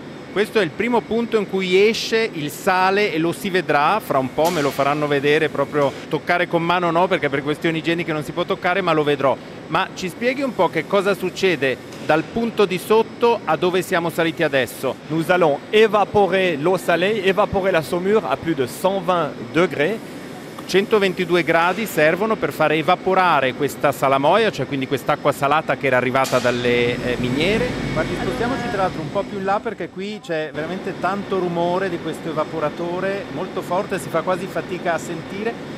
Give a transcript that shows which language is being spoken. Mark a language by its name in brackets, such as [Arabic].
[Italian] Questo è il primo punto in cui esce il sale e lo si vedrà fra un po', me lo faranno vedere, proprio toccare con mano no, perché per questioni igieniche non si può toccare, ma lo vedrò. Ma ci spieghi un po' che cosa succede dal punto di sotto a dove siamo saliti adesso? [French] Nous allons évaporer l'eau salée, évaporer la saumure a più di 120 degrés. [Italian] 122 gradi servono per fare evaporare questa salamoia, cioè quindi quest'acqua salata che era arrivata dalle miniere. Guardi, spostiamoci tra l'altro un po' più in là perché qui c'è veramente tanto rumore di questo evaporatore, molto forte, si fa quasi fatica a sentire.